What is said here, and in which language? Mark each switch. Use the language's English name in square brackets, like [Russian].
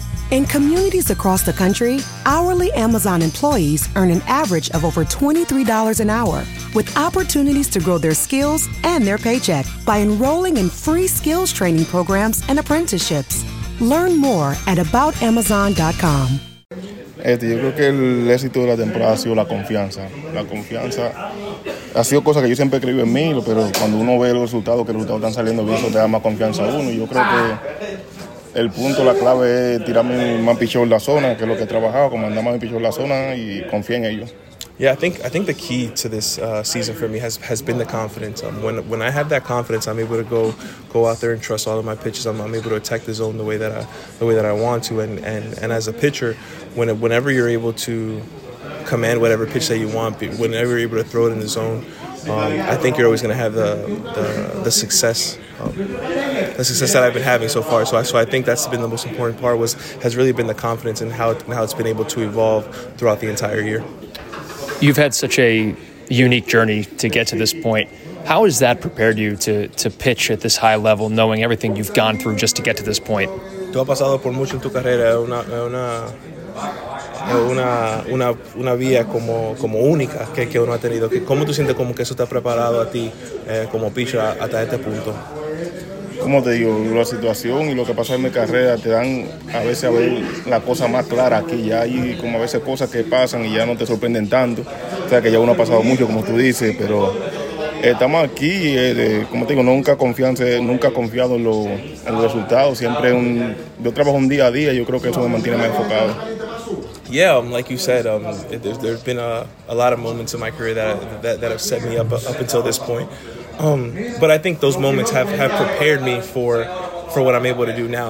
[English] In communities across the country, hourly Amazon employees earn an average of over $23 an hour, with opportunities to grow their skills and their paycheck by enrolling in free skills training programs and apprenticeships. Learn more at aboutamazon.com. [Spanish] Yo creo que el éxito de la temporada ha sido la confianza. La confianza ha sido cosa que yo siempre he creído en mí, pero cuando uno ve los resultados están saliendo bien, eso te da más confianza a uno. Y yo creo que el punto, la clave es tirarme más pichón en la zona, que es lo que he trabajado, comandar más pichón en la zona y confiar en ellos. [English] Yeah, I think the key to this season for me has been the confidence. When I have that confidence, I'm able to go out there and trust all of my pitches. I'm able to attack the zone the way that I want to. And as a pitcher, whenever you're able to command whatever pitch that you want, whenever you're able to throw it in the zone, I think you're always going to have the success that I've been having so far. So I think that's been the most important part has really been the confidence and how it's been able to evolve throughout the entire year. You've had such a unique journey to get to this point. How has that prepared you to pitch at this high level, knowing everything you've gone through just to get to this point? [Spanish] Tú has pasado por mucho en tu carrera, una vía como única que uno ha tenido. ¿Cómo tú sientes como que eso te ha preparado a ti como pitcher hasta este punto? Como te digo, la situación y lo que pasó en mi carrera te dan a veces la cosa más clara aquí. Ya hay como a veces cosas que pasan y ya no te sorprenden tanto. O sea, que ya uno ha pasado mucho, como tú dices, pero estamos aquí. Como te digo, nunca confiado en los resultados. Siempre yo trabajo un día a día y yo creo que eso me mantiene más enfocado. [English] Yeah, like you said, there's been a lot of moments in my career that have set me up until this point. But I think those moments have prepared me for what I'm able to do now.